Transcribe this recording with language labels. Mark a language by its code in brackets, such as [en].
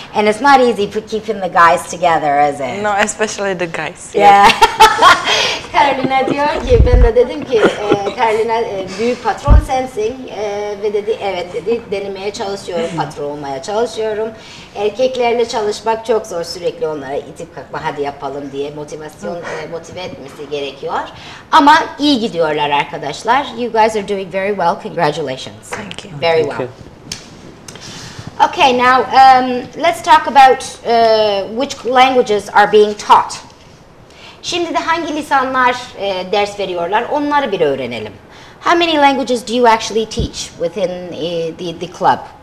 [en] And it's not easy for keeping the guys together, is it? No, especially the guys. Yeah. [tr] Carolina diyor ki, ben de dedim ki, Carolina büyük patron sensin. Ve dedi, evet dedi, denemeye çalışıyorum, patron olmaya çalışıyorum. Erkeklerle çalışmak çok zor, sürekli onlara itip kalkma, hadi yapalım diye motivasyon motive etmesi gerekiyor. Ama iyi gidiyorlar arkadaşlar. [en] You guys are doing very well. Congratulations. Thank you. Very Thank well. You. Okay, now let's talk about which languages are being taught. [tr] Şimdi de hangi lisanlar ders veriyorlar, onları bir öğrenelim. [en] How many languages do you actually teach within the club?